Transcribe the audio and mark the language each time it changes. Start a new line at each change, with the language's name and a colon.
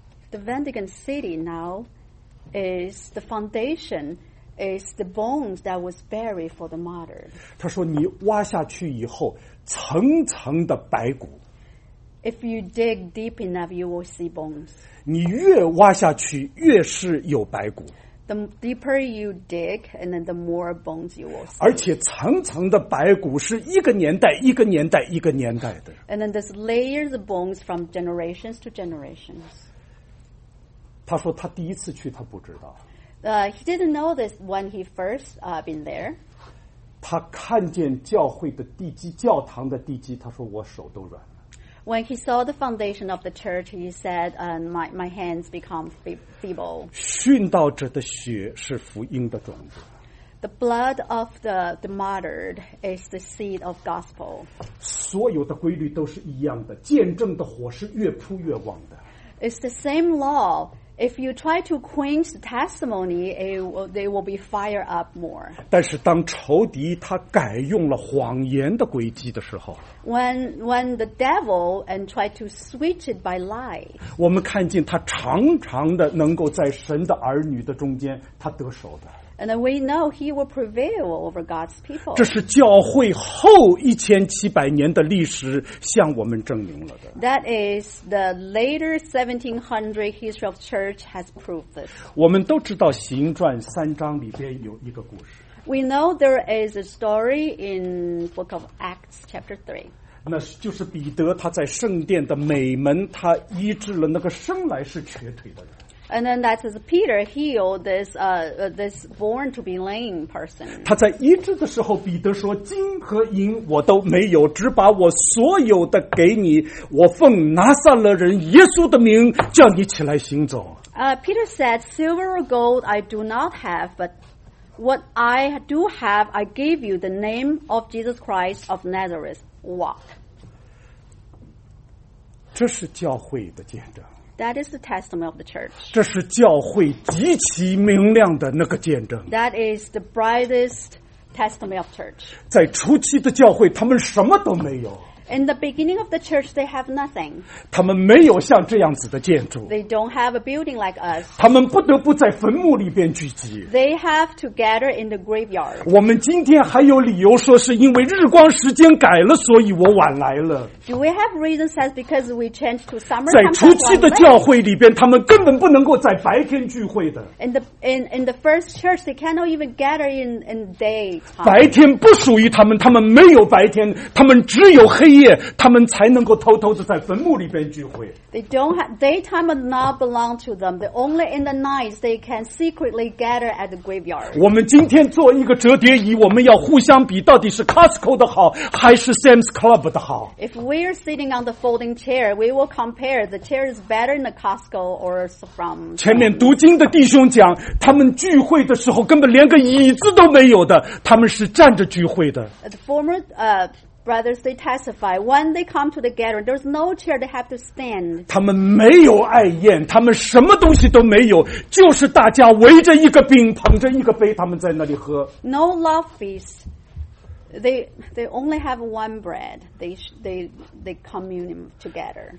English: The Vatican City now is the foundation. Is the bones that was buried for the martyr.
Chinese: 他说你挖下去以后层层的白骨。
English: If you dig deep enough, you will see bones.
Chinese: 你越挖下去越是有白骨。
English: The deeper you dig, and then the more bones you will see.
Chinese: 而且层层的白骨是一个年代一个年代一个年代的。
English: And then there's layers of bones from generations to generations.
Chinese: 他说他第一次去他不知道。
English: He didn't know this when he first been there.
Chinese: 他看见教会的地基，教堂的地基，他说我手都软了。
English: When he saw the foundation of the church, he said, "My hands become feeble."
Chinese: 殉道者的血是福音的种子。
English: The blood of the martyred is the seed of gospel.
Chinese: 所有的规律都是一样的，见证的火是越扑越旺的。
English: It's the same law. If you try to quench the testimony, they will be fired up more.
Chinese: 但是当仇敌他改用了谎言的诡计的时候
English: ，When the devil and try to switch it by lie,
Chinese: 我们看见他常常的能够在神的儿女的中间，他得手的。
English: And we know he will prevail over God's people.
Chinese: 这是教会后1700年的历史向我们证明了的。
English: That is the later 1700 history of church has proved this.
Chinese: 我们都知道行传三章里边有一个故事。
English: We know there is a story in Book of Acts chapter 3.
Chinese: 那就是彼得他在圣殿的美门他医治了那个生来是瘸腿的人。
English: And then that says Peter healed this born to be lame person.
Chinese: 他在医治的时候，彼得说：“金和银我都没有，只把我所有的给你。我奉拿撒勒人耶稣的名，叫你起来行走。”
English: Peter said, "Silver or gold I do not have, but what I do have, I give you. The name of Jesus Christ of Nazareth, walk."
Chinese: 这是教会的见证。
English: That is the testimony of the church.
Chinese: 这是教会极其明亮的那个见证。
English: That is the brightest testimony of church.
Chinese: 在初期的教会，他们什么都没有。
English: In the beginning of the church, they have nothing.
Chinese: 他们没有像这样子的建筑。
English: They don't have a building like us.
Chinese: 他们不得不在坟墓里边聚集。
English: They have to gather in the graveyard.
Chinese: 我们今天还有理由说是因为日光时间改了，所以我晚来了。
English: Do we have reasons that because we changed to summer?
Chinese: 在初期的教会里边，他们根本不能够在白天聚会的。
English: In the first church, they cannot even gather in day time.
Chinese: 白天不属于他们，他们没有白天，他们只有黑。他们才能够偷偷地在坟墓里边聚会。
English: They don't have daytime does not belong to them. They only in the night they can secretly gather at the graveyard.
Chinese: 我们今天做一个折叠椅，我们要互相比，到底是 Costco 的好还是 Sam's Club 的好
English: ？If we are sitting on the folding chair, we will compare the chair is better in the Costco or from.
Chinese: 前面读经的弟兄讲，他们聚会的时候根本连个椅子都没有的，他们是站着聚会的。
English: The former Brothers, they testify when they come to the gathering. There's no chair; they have to stand.
Chinese: 他们没有爱宴，他们什么东西都没有，就是大家围着一个饼，捧着一个杯，他们在那里喝。
English: No love feast. They only have one bread. They commune together.